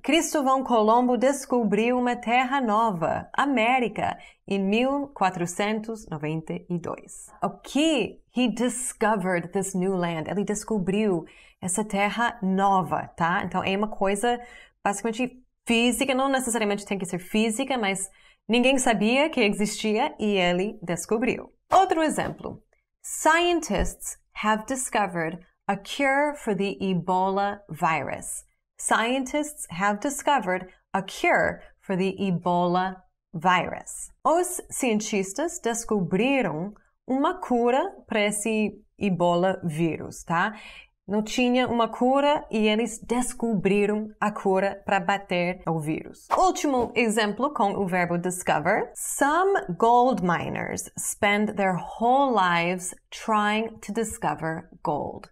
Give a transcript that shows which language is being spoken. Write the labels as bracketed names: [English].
[Portuguese] Cristóvão Colombo descobriu uma terra nova, América, em 1492. Aqui, [English] he discovered this new land. [Portuguese] Ele descobriu essa terra nova, tá? Então, é uma coisa basicamente física, não necessariamente tem que ser física, mas ninguém sabia que existia e ele descobriu. Outro exemplo. [English] Scientists have discovered a cure for the Ebola virus. Scientists have discovered a cure for the Ebola virus. [Portuguese] Os cientistas descobriram cura para esse Ebola vírus, tá? Não tinha cura e eles descobriram a cura para bater o vírus. Último exemplo com verbo discover. [English] Some gold miners spend their whole lives trying to discover gold.